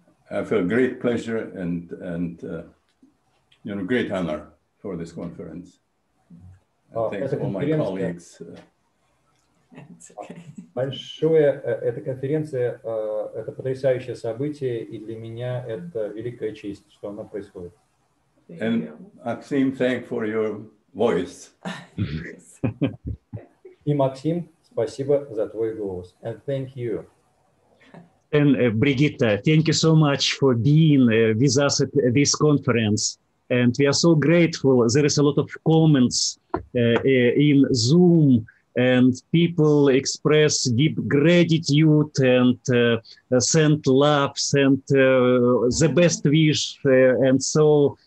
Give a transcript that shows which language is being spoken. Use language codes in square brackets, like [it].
[en] I feel great pleasure and you know, great honor for this conference. Thanks to all my colleagues. [ru] Большое, эта конференция, это потрясающее событие, и для меня это великая честь, что она происходит. [en] And Maxim, thank for your voice. [ru] И Максим, спасибо за твой голос. [en] And thank you. And Brigitte, thank you so much for being with us at this conference. And we are so grateful. There is a lot of comments in Zoom, and people express deep gratitude and send love, send the best wish, and so.